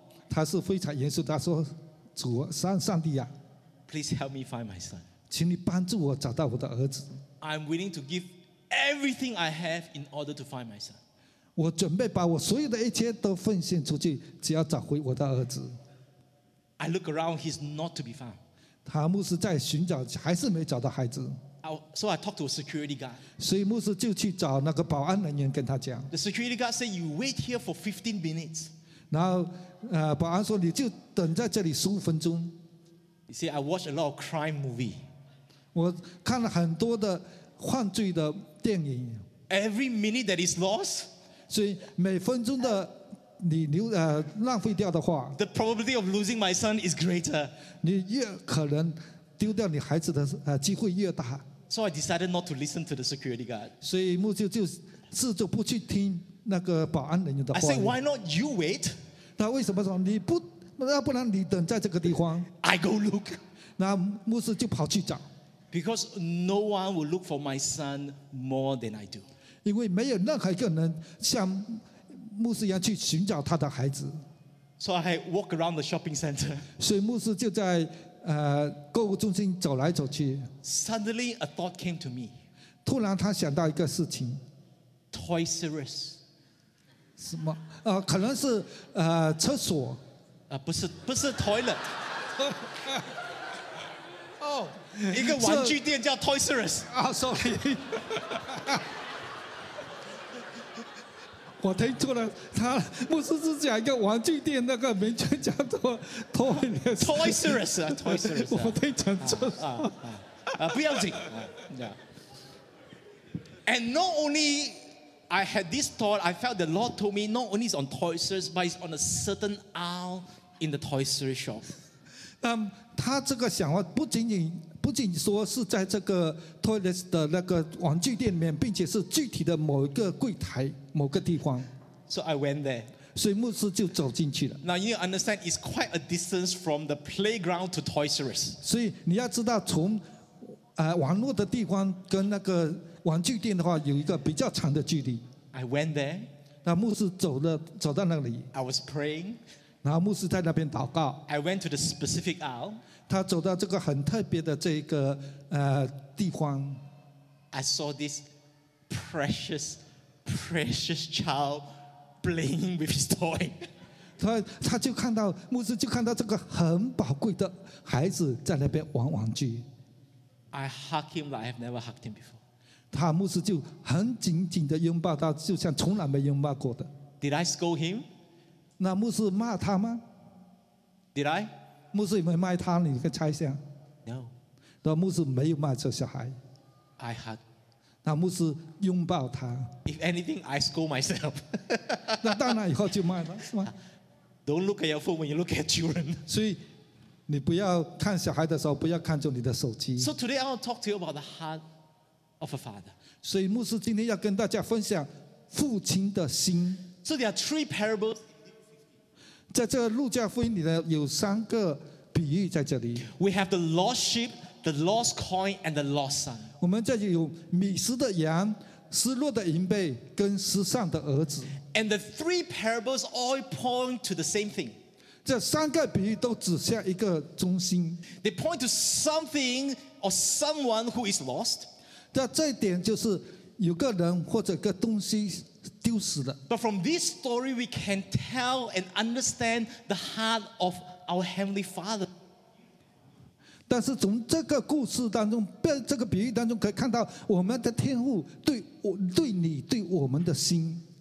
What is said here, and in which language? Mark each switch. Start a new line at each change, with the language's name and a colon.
Chinese: 他是非常严肃，他说主上帝啊。
English: Please help me find my son.
Chinese: 请你帮助我找到我的儿子。
English: I'm willing to give. Everything I have in order to find my son.
Chinese: 我准备把我所有的一切都奉献出去，只要找回我的儿子。
English: I look around, he's not to be found.
Chinese: 他牧师在寻找，还是没找到孩子。
English: So I talked to a security guard.
Chinese: 所以牧师就去找那个保安人员跟他讲。
English: The security guard said, "You wait here for 15 minutes."
Chinese: 然后，保安说你就等在这里十五分钟。
English: He said, "I watch a lot of crime movie."
Chinese: 我看了很多的犯罪的。
English: Every minute that is lost,
Chinese: 所以每分钟的你流浪费掉的话
English: ，the probability of losing my son is greater.
Chinese: 你越可能丢掉你孩子的机会越大。
English: So I decided not to listen to the security guard.
Chinese: 所以牧师就自作不去听那个保安人员的话。
English: I said, why not you wait?
Chinese: 他为什么说你不？要不然你等在这个地方。
English: I go look.
Chinese: 那牧师就跑去找。
English: Because no one will look for my son more than I do.
Chinese: 因为没有任何一个人像牧师一样去寻找他的孩子。
English: So I walk around the shopping center.
Chinese: 所以牧师就在购物中心走来走去。
English: Suddenly a thought came to me.
Chinese: 突然他想到一个事情。
English: Toys R Us.
Chinese: 什么？可能是厕所。不是 toilet. 一个玩具店叫 Toys R Us。啊 ，sorry， 我听错了。他牧师是讲一个玩具店，那个名称叫做 Toys
English: R Us。 Toys R Us，
Chinese: 我听成错了。不要紧。
English: And not only I had this thought, I felt the Lord told me not only it's on Toys R Us, but it's on a certain aisle in the Toys R Us shop.
Chinese: 他这个想法不仅说是在这个 toilet 的那个玩具店里面，并且是具体的某一个柜台某个地方。
English: So I went there.
Chinese: 所以牧师就走进去了。
English: Now you understand it's quite a distance from the playground to Toys R Us.
Chinese: 所以你要知道从玩乐的地方跟那个玩具店的话有一个比较长的距离。
English: I went there.
Chinese: 那牧师走到那里。
English: I was praying.
Chinese: 然后牧师在那边祷告。
English: I went to the specific aisle.
Chinese: 他走到这个很特别的这个地方。
English: I saw this precious, precious child playing with his toy.
Chinese: 他就看到牧师就看到这个很宝贵的孩子在那边玩玩具。
English: I hug him like I have never hugged him before.
Chinese: 他牧师就很紧紧的拥抱他，就像从来没拥抱过的。
English: Did I scold him?
Chinese: 那牧师骂他吗
English: ？Did I?
Chinese: 牧师有没有骂他？你可以猜一下。
English: No.
Chinese: 那牧师没有骂这小孩。
English: I hug.
Chinese: 那牧师拥抱他。
English: If anything, I scold myself.
Chinese: 那当然以后就骂了，是吗？
English: Don't look at your phone when you look at children.
Chinese: 所以你不要看小孩的时候不要看着你的手机。
English: So today I want to talk to you about the heart of a father.
Chinese: 所以牧师今天要跟大家分享父亲的心。
English: So there are three parables.
Chinese: 在这个路加福音里面有三个比喻在这里。
English: We have the lost sheep, the lost coin, and the lost son.
Chinese: 我们这里有迷失的羊、失落的银贝跟失散的儿子。
English: And the three parables all point to the same thing.
Chinese: 这三个比喻都指向一个中心。
English: They point to something or someone who is lost.
Chinese: 这一点就是有个人或者个东西丢失了。
English: But from this story, we can tell and understand the heart of our Heavenly Father.
Chinese: 但是从这个故事当中，这个比喻当中可以看到我们的天父对你对我们的心。